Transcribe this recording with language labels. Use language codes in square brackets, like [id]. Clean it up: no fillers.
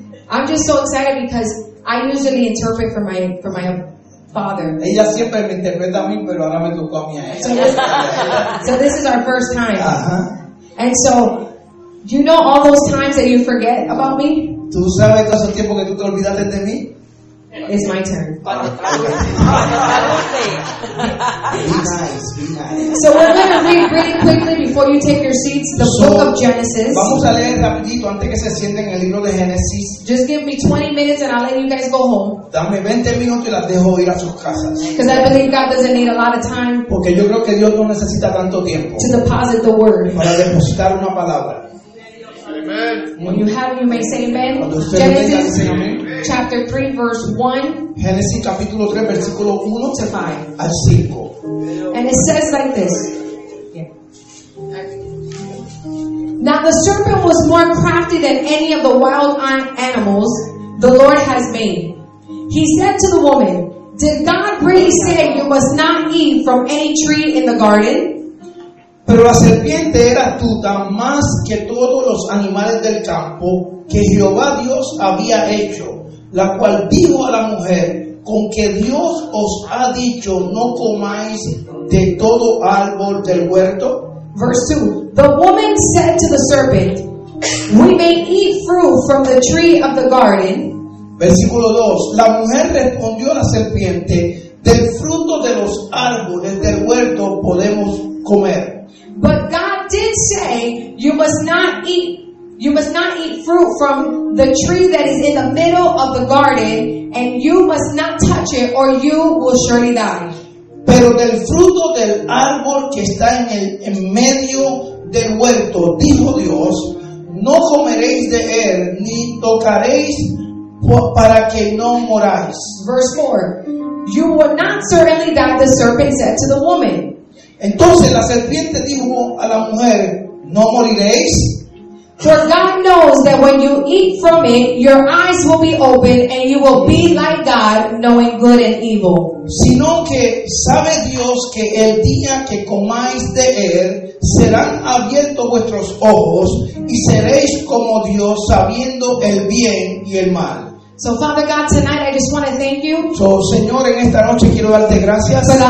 [en] I'm just so excited because I usually interpret for my father. [es] Ella siempre me interpreta a mí, pero ahora me tocó a mí a ella. [en] So this is our first time. Uh-huh. And so, do you know all those times that you forget about me? [es] ¿Tú sabes todo ese tiempo que tú te olvidaste de mí? [en] It's my turn. Be nice. So we're going to read really quickly before you take your seats the book of Genesis. [es] Vamos a leer rapidito antes que se sienten el libro de Génesis. [en] Just give me 20 minutes and I'll let you guys go home. [es] Dame 20 minutos y las dejo ir a sus casas. [en] Because I believe God doesn't need a lot of time. [es] Porque yo creo que Dios no necesita tanto tiempo. [en] To deposit the word. [es] Para depositar una palabra. [en] Amen. When you have, you may say amen. Genesis chapter 3, verse 1. [es] Genesis capítulo 3, versículo 1 [en] to 5. [es] Al 5. [en] And it says like this. Now the serpent was more crafty than any of the wild animals the Lord has made. He said to the woman, "Did God really say you must not eat from any tree in the garden?" [es] Pero la serpiente era astuta más que todos los animales del campo que Jehová Dios había hecho, la cual dijo a la mujer, con que Dios os ha dicho, no comáis de todo árbol del huerto. [en] Verse 2. The woman said to the serpent, "We may eat fruit from the tree of the garden." [es] Versículo 2. La mujer respondió a la serpiente, "Del fruto de los árboles del huerto podemos comer." [en] But God did say, you must not eat fruit from the tree that is in the middle of the garden, and you must not touch it, or you will surely die. [es] Pero del fruto del árbol que está en medio del huerto, dijo Dios, no comeréis de él, ni tocaréis para que no moráis. [en] Verse 4, you will not certainly die, the serpent said to the woman. [es] Entonces la serpiente dijo a la mujer, ¿no moriréis? [en] For God knows that when you eat from it, your eyes will be open and you will be like God, knowing good and evil. [es] Sino que sabe Dios que el día que comáis de él, serán abiertos vuestros ojos y seréis como Dios sabiendo el bien y el mal. [en] So Father God, tonight I just want to thank you. [es] So Señor, en esta noche quiero darte gracias.